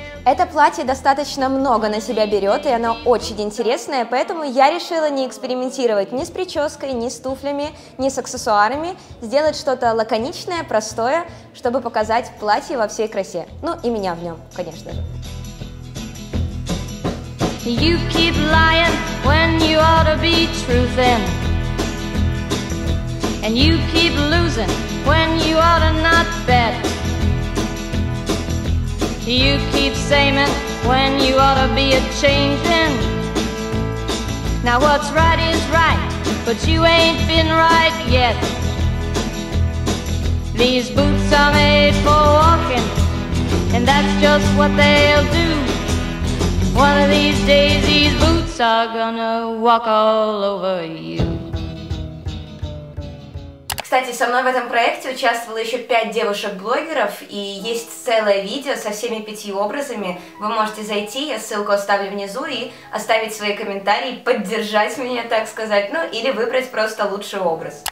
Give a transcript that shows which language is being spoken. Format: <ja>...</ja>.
<ru>Это платье достаточно много на себя берет, и оно очень интересное, поэтому я решила не экспериментировать ни с прической, ни с туфлями, ни с аксессуарами, сделать что-то лаконичное, простое, чтобы показать платье во всей красе. Ну, и меня в нем, конечно же.</ru> <en>You keep lying when you ought to be truthin'. And you keep losing when you ought to not bet. You keep saying when you ought to be a-changing. Now what's right is right, but you ain't been right yet. These boots are made for walking, and that's just what they'll do. One of these days these boots are gonna walk all over you.</en> <ru>Кстати, со мной в этом проекте участвовало еще 5 девушек-блогеров, и есть целое видео со всеми 5 образами. Вы можете зайти, я ссылку оставлю внизу, и оставить свои комментарии, поддержать меня, так сказать, ну, или выбрать просто лучший образ.</ru>